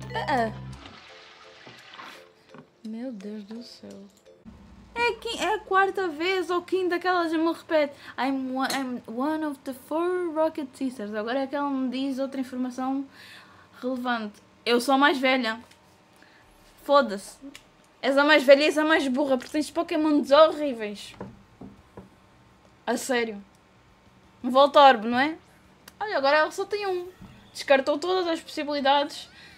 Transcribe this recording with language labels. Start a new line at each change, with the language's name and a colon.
Portuguese: Ah. Meu Deus do céu. É a quarta vez ou quinta que ela já me repete.
English: I'm one of the four Rocket Sisters.
Portuguese: Agora é que ela me diz outra informação relevante. Eu sou a mais velha. Foda-se. És a mais velha e és a mais burra. Porque tens pokémons horríveis. A sério. Um Voltorb, não é? Olha, agora ela só tem um. Descartou todas as possibilidades.